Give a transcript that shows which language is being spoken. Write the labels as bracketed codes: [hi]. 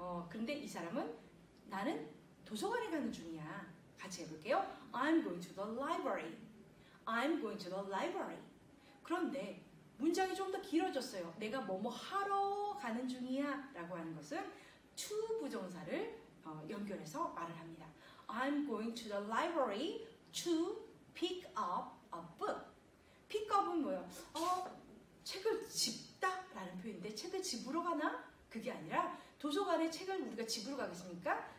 [ko] 그런데 이 사람은 나는 도서관에 가는 중이야. 같이 해볼게요. [en] I'm going to the library. I'm going to the library. [ko] 그런데 문장이 좀 더 길어졌어요. 내가 뭐뭐 하러 가는 중이야 라고 하는 것은 to 부정사를 연결해서 말을 합니다. [en] I'm going to the library to pick up a book. [ko] Pick up은 뭐예요? 책을 집다 라는 표현인데 책을 집으러 가나? 그게 아니라 도서관에 책을 우리가 집으러 가겠습니까?